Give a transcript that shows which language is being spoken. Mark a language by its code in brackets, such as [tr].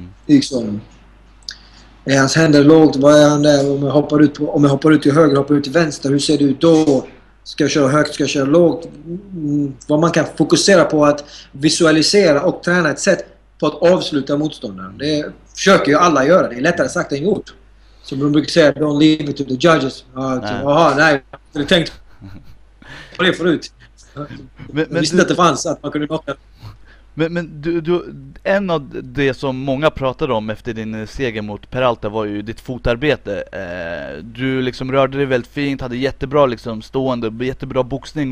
[sv] Liksom, är hans händer lågt? Vad är han där? Om jag hoppar ut, om jag hoppar ut till höger, hoppar ut till vänster, hur ser det ut då? Ska jag köra högt? Ska jag köra lågt? Vad man kan fokusera på att visualisera och träna ett sätt på att avsluta motståndaren. Det försöker ju alla göra. Det är lättare sagt än gjort. Som de brukar säga, [en] don't leave it to the judges. [sv] Jaha, nej. Jag tänkte på det förut. Men visste du, att det fanns att man kunde locka. Men du, en av det som många pratade om efter din seger mot Peralta var ju ditt fotarbete. Du liksom rörde dig väldigt fint, hade jättebra liksom stående, jättebra boxning.